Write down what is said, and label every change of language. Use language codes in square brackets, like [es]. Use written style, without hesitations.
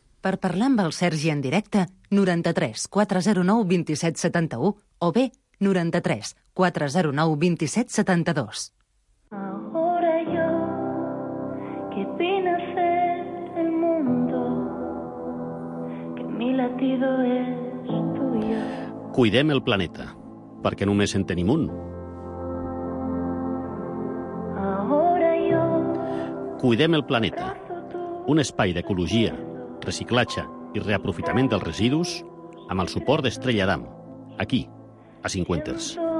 [ca] Per parlar amb el Sergi en directe, 93 409 2771 o bé 93 409 2772. [es] Ahora yo, que vine a ser el mundo, mi latido es tuyo. [ca] Cuidem el planeta, perquè només en tenim un. [es] Ahora yo... [ca] Cuidem el planeta, un espai d'ecologia, reciclatge i reaprofitament dels residus amb el suport d'Estrella Damm, aquí, a 50ers.